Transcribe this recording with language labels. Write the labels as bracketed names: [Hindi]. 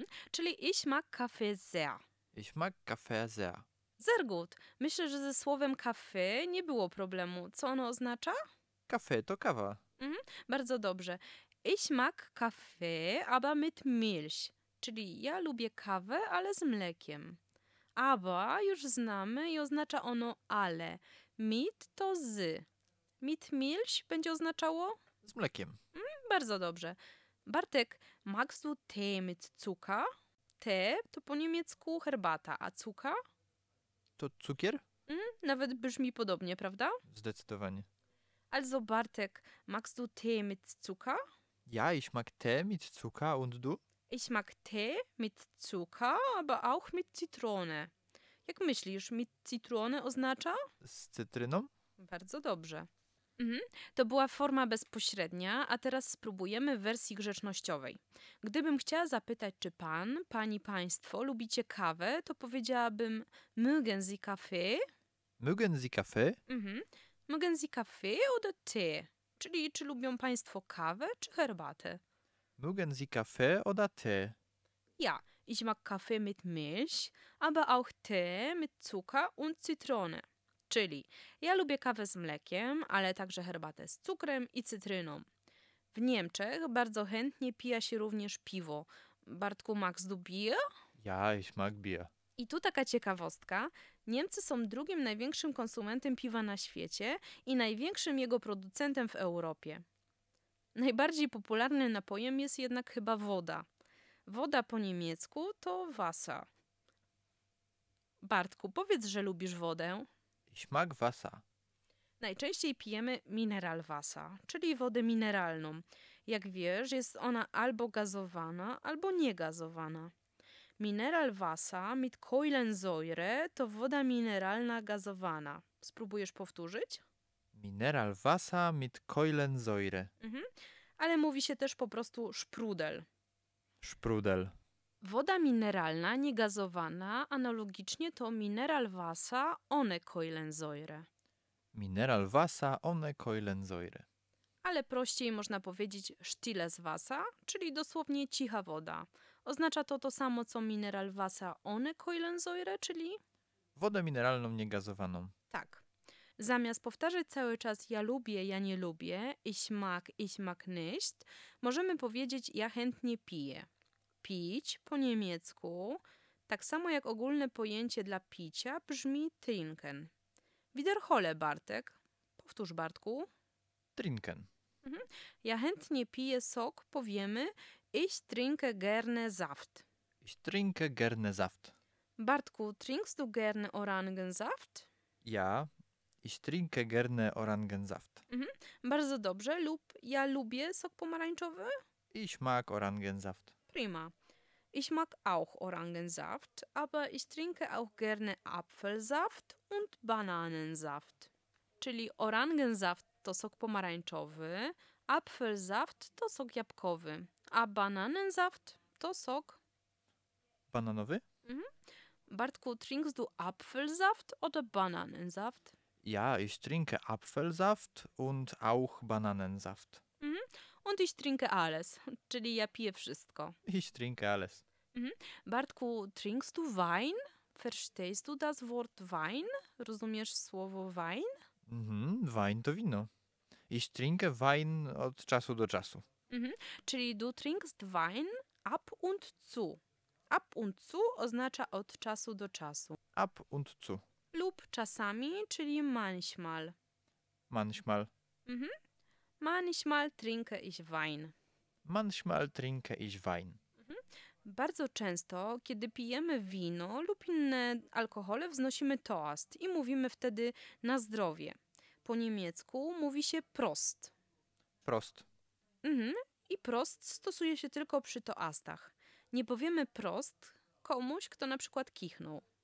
[Polish] Czyli [German] ich mag Kaffee sehr. Ich mag Kaffee sehr. Sehr gut. [Polish] Myślę, że ze słowem Kaffee nie było problemu. Co ono oznacza? Kaffee to kawa. Bardzo dobrze. [German] Ich mag Kaffee, aber mit Milch. [Polish] Czyli ja lubię kawę, ale z mlekiem. Aber już znamy i oznacza ono ale. Mit to z. [German] Mit Milch [Polish] będzie oznaczało? Z mlekiem. Bardzo dobrze. [German] Bartek, magst du Tee mit Zucker? [Polish] Tee to po niemiecku herbata, a cukier? To cukier? Nawet brzmi podobnie, prawda? Zdecydowanie. [German] Also Bartek, magst du Tee mit Zucker? Ja, ich mag Tee mit Zucker und du? Ich mag Tee mit Zucker, aber auch mit Zitrone. [Polish] Jak myślisz, [German] mit Zitrone [Polish] oznacza? Z cytryną? Bardzo dobrze. To była forma bezpośrednia, a teraz spróbujemy w wersji grzecznościowej. Gdybym chciała zapytać, czy pan, pani, państwo lubicie kawę, to powiedziałabym [German] mögen Sie Kaffee? Mögen Sie Kaffee? Mögen Sie Kaffee oder Tee? [Polish] Czyli czy lubią państwo kawę czy herbatę? [German] Mögen Sie Kaffee oder Tee? Ja, ich mag Kaffee mit Milch, aber auch Tee mit Zucker und Zitrone. [Polish] Czyli ja lubię kawę z mlekiem, ale także herbatę z cukrem i cytryną. W Niemczech bardzo chętnie pija się również piwo. [German] Bartku, magst du Bier? Ja, ich mag Bier. [Polish] I tu taka ciekawostka. Niemcy są drugim największym konsumentem piwa na świecie i największym jego producentem w Europie. Najbardziej popularnym napojem jest jednak chyba woda. Woda po niemiecku to Wasser. Bartku, powiedz, że lubisz wodę. [German] Ich mag Wasser. [Polish] Najczęściej pijemy Mineralwasser, czyli wodę mineralną. Jak wiesz, jest ona albo gazowana, albo niegazowana. [German] Mineralwasser mit Kohlensäure [Polish] to woda mineralna gazowana. Spróbujesz powtórzyć? [German] Mineralwasser mit Kohlensäure. [Polish] Ale mówi się też po prostu sprudel. [German] Sprudel. [Polish] Woda mineralna, niegazowana, analogicznie to [German] Mineralwasser ohne Kohlensäure. Mineralwasser ohne Kohlensäure. [Polish] Ale prościej można powiedzieć [German] Stilles Wasser, [Polish] czyli dosłownie cicha woda. Oznacza to to samo co [German] Mineralwasser ohne Kohlensäure, [Polish] czyli? Wodę mineralną, niegazowaną. Tak. Zamiast powtarzać cały czas ja lubię, ja nie lubię, [German] ich mag nicht, [Polish] możemy powiedzieć ja chętnie piję. Pić po niemiecku, tak samo jak ogólne pojęcie dla picia, brzmi trinken. [German] Wiederhole, [Polish] Bartek. Powtórz, Bartku. [German] Trinken. [Polish] Ja chętnie piję sok, powiemy [German] ich trinke gerne Saft. Ich trinke gerne Saft. Bartku, trinkst du gerne Orangensaft? Ja, ich trinke gerne Orangensaft. [Polish] Bardzo dobrze, lub ja lubię sok pomarańczowy? [German] Ich mag Orangensaft. Prima. Ich mag auch Orangensaft, aber ich trinke auch gerne Apfelsaft und Bananensaft. [Polish] Czyli Orangensaft to sok pomarańczowy, Apfelsaft to sok jabłkowy, a Bananensaft to sok... Bananowy? Mhm. [German] Bartku, trinkst du Apfelsaft oder Bananensaft? Ja, ich trinke Apfelsaft und auch Bananensaft. Mhm. Und ich trinke alles, [Polish] czyli ja piję wszystko. [German] Ich trinke alles. Mhm. Bartku, trinkst du Wein? Verstehst du das Wort Wein? [Polish] Rozumiesz słowo Wein? Mhm, Wein to wino. [German] Ich trinke Wein [Polish] od czasu do czasu. Mhm. Czyli [German] du trinkst Wein ab und zu. [Polish] Ab und zu oznacza od czasu do czasu. [German] Ab und zu. [Polish] Lub czasami, czyli manchmal. [German] Manchmal. Mhm. Manchmal trinke ich Wein. Manchmal trinke ich Wein. Mhm. [Polish] Bardzo często, kiedy pijemy wino lub inne alkohole, wznosimy toast i mówimy wtedy na zdrowie. Po niemiecku mówi się Prost. [German] Prost. Mhm. [Polish] I Prost stosuje się tylko przy toastach. Nie powiemy Prost komuś, kto na przykład kichnął.